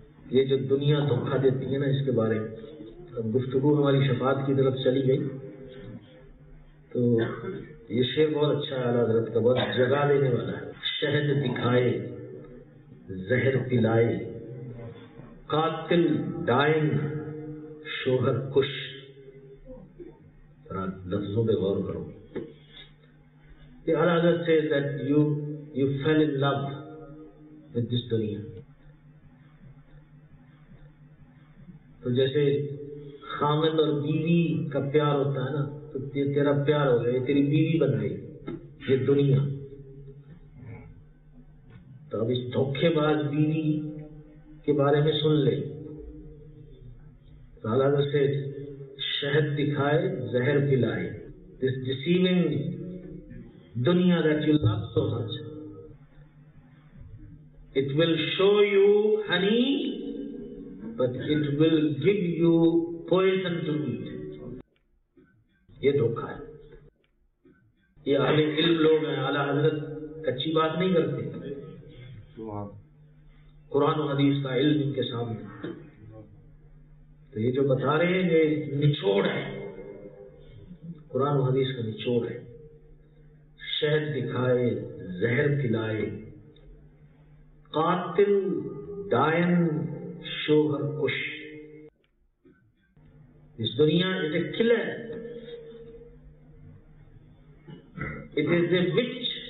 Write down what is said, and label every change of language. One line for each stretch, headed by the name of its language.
Urdu: یہ جو دنیا دھوکہ دیتی ہے نا، اس کے بارے میں گفتگو ہماری شفاعت کی طرف چلی گئی، تو یہ شعر بہت اچھا ہے اعلیٰ حضرت کا، بہت جگا دینے والا ہے. شہد دکھائے زہر پلائے، قاتل ڈائن شوہر کش. لفظوں پہ غور کرو.
English: اعلیٰ حضرت سے that you fell in love with this دنیا.
Urdu: تو جیسے خامد اور بیوی کا پیار ہوتا ہے نا، تو یہ تیرا پیار ہو گیا، یہ تیری بیوی بن گئی یہ دنیا. تو اب اس دھوکے باز بیوی کے بارے میں سن لے. اعلیٰ حضرت سے شہد دکھائے زہر پلائے،
English: this deceiving دنیا that you love so much, it will show you honey but it will give you poison to eat.
Urdu: یہ دھوکا ہے. یہ اعلی علم لوگ ہیں، اعلی حضرت کچی بات نہیں کرتے، قرآن و حدیث کا علم ان کے سامنے. تو یہ جو بتا رہے ہیں یہ نچوڑ ہے، قرآن و حدیث کا نچوڑ ہے. شہد دکھائے زہر پلائے، قاتل ڈائن شوہر کش. اس دنیا
English: It is killer, it is a witch.